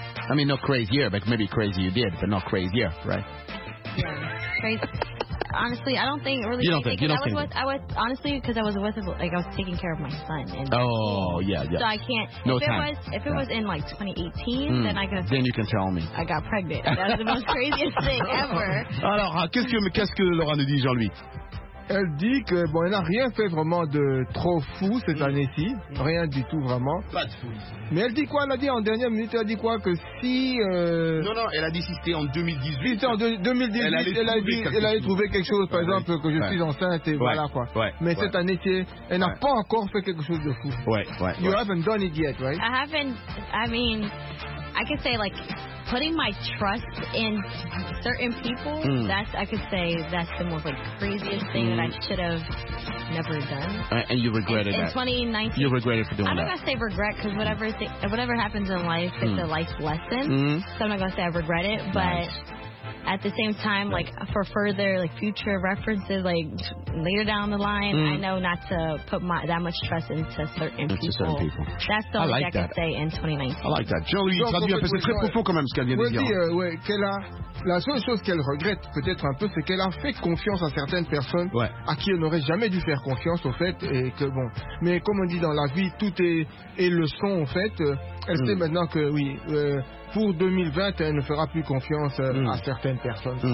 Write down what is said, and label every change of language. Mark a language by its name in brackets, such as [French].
[English] I mean, not crazier, but maybe crazy you did, but not crazier, right? Yeah. Crazy. Honestly, I don't think really. You don't think. You don't think. I was honestly because I was with, like, I was taking care of my son. And Yeah. So I can't. No, if time. If it was in like 2018, then I could. Then you can tell me. I got pregnant. That's the most craziest thing ever. [French] Alors, qu'est-ce que Laura nous dit, Jean-Louis? Elle dit que bon, elle n'a rien fait vraiment de trop fou cette année-ci, rien du tout vraiment. Pas de fou. Mais elle dit quoi? Elle a dit en dernière minute. Elle a dit quoi? Que si. Non, elle a dit si c'était en 2018. Si c'était en 2018, elle a trouvé quelque chose, par exemple que je suis enceinte et voilà quoi. Ouais. Mais cette année-ci, elle n'a pas encore fait quelque chose de fou. Ouais. [English] You haven't done it yet, right? I haven't. I mean, I could say like. Putting my trust in certain people, that's the most, like, craziest thing that I should have never done. And you regretted in that. In 2019. You regretted for doing that. I'm not going to say regret, because whatever happens in life is a life lesson. Mm. So I'm not going to say I regret it, but... Nice. At the same time, like, for further, like, future references, like, later down the line, I know not to put that much trust into certain people. Into certain people. That's the only thing I can say in 2019. I like that. [French] Jean-Louis, traduit un peu, c'est très profond quand même ce qu'elle vient de dire. Oui, qu'elle a... La seule chose qu'elle regrette peut-être un peu, c'est qu'elle a fait confiance à certaines personnes à qui elle n'aurait jamais dû faire confiance, au fait, et que bon. Mais comme on dit dans la vie, tout est leçon, en fait. Elle sait maintenant que oui, pour 2020, elle ne fera plus confiance à certaines personnes.